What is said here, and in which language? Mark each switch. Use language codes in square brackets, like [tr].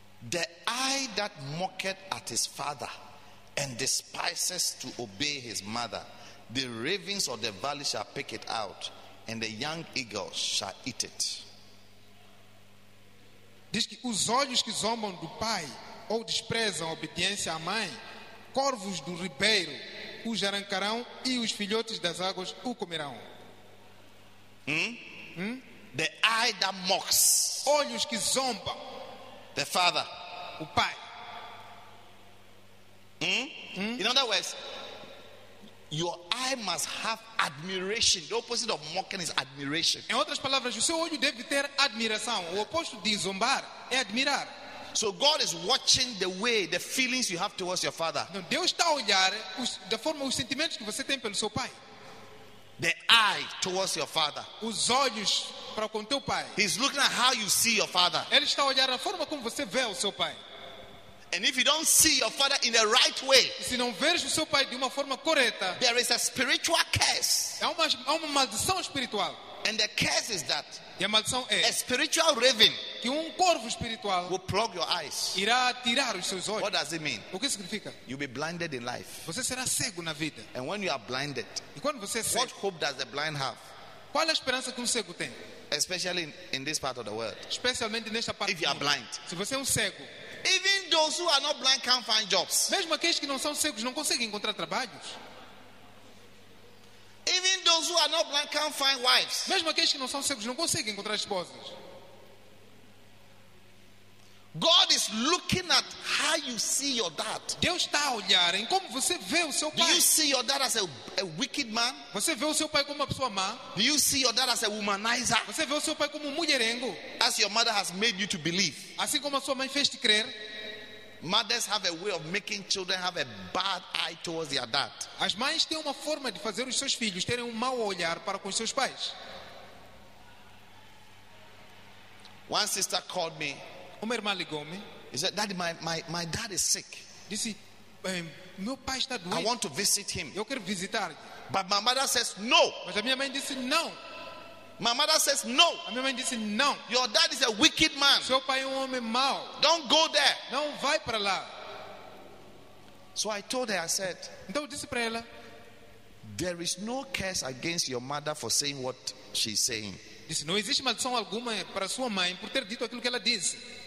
[en] The eye that mocketh at his father and despises to obey his mother. The ravens of the valley shall pick it out, and the young eagles shall eat it. [pt] Diz que os olhos que zombam do pai ou desprezam a obediência à mãe, corvos do ribeiro os arrancarão e os filhotes das águas o comerão. [en] The eye that mocks. [pt] Olhos que zombam. [en] The father. [pt] O pai. [en] In other words, your eye must have admiration. The opposite of mocking is admiration. [pt] Em outras palavras, o seu olho deve ter admiração. O oposto de zombar é admirar. [en] So God is watching the way, the feelings you have towards your father. [pt] Não, Deus está a olhar da forma os sentimentos que você tem pelo seu pai. [en] The eye towards your father. [pt] Os olhos para com teu pai. [en] He's looking at how you see your father. [pt] Ele está a olhar a forma como você vê o seu pai. [en] And if you don't see your father in the right way, [pt] se não veres o seu pai de uma forma correta, [en] there is a spiritual curse. [pt] É uma maldição espiritual. [en] And the curse is that, [pt] e a maldição é, [en] a spiritual raven, [pt] que corvo espiritual, [en] will plug your eyes. [pt] Irá tirar os seus olhos. [en] What does it mean? [pt] O que significa? [en] You'll be blinded in life. [pt] Você será cego na vida. [en] And when you are blinded, [pt] e quando você é cego, [en] what hope does the blind have? [pt] Qual a esperança que cego tem? [en] Especially in this part of the world. [pt] Especialmente nesta parte. [en] If you are blind, [pt] se você é cego. [en] Even those who are not blind can't find jobs. [pt] Mesmo aqueles que não são cegos não conseguem encontrar trabalhos. [en] Even those who are not blind can't find wives. [pt] Mesmo aqueles que não são cegos não conseguem encontrar esposas. [en] God is looking at how you see your dad. [pt] Deus está a olhar em como você vê o seu pai. [en] Do you see your dad as a wicked man? [pt] Você vê o seu pai como uma pessoa má? [en] Do you see your dad as a womanizer? [pt] Você vê o seu pai como um mulherengo? [en] As your mother has made you to believe. [pt] Assim como a sua mãe fez te crer. [en] Mothers have a way of making children have a bad eye towards their dad. [pt] As mães têm uma forma de fazer os seus filhos terem mau olhar para com os seus pais. [en] One sister called me. [pt] Uma irmã ligou-me. [en] He said, "Daddy, my dad is sick." [pt] Disse, meu pai está doente. [en] I want to visit him. [pt] Eu quero visitar. [en] But my mother says no. [pt] Mas a minha mãe disse não. [en] My mother says no. [pt] A minha mãe disse não. [en] Your dad is a wicked man. [pt] Seu pai é homem mau. [en] Don't go there. [pt] Não vai para lá. [en] So I told her, I said. [pt] Então disse para ela. [en] There is no curse against your mother for saying what she's saying. [pt] Disse, não existe maldição alguma para sua mãe por ter dito aquilo que ela disse.